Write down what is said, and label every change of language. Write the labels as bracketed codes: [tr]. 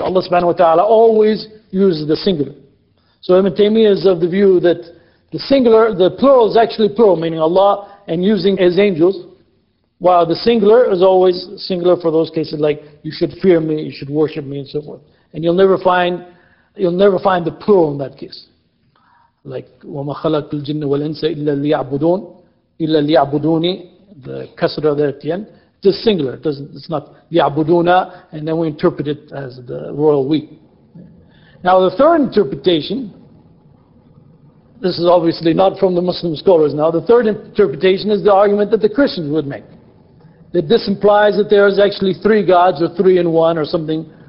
[en] Allah subhanahu wa ta'ala always uses the singular. So Ibn Taymiyyah is of the view that the singular, the plural is actually plural, meaning Allah and using His angels, while the singular is always singular for those cases like, you should fear me, you should worship me, and so forth. And you'll never find the plural in that case. Like, [ar] وَمَا خَلَقَ الْجِنَّ وَالْإِنسَ إِلَّا لِيَعْبُدُونَ إِلَّا لِيَعْبُدُونِ, [en] the kasra there at the end. Just singular. It's not يَعْبُدُونَ, and then we interpret it as the royal we. Now the third interpretation, this is obviously not from the Muslim scholars now, the third interpretation is the argument that the Christians would make. That this implies that there is actually three gods, or three in one, or something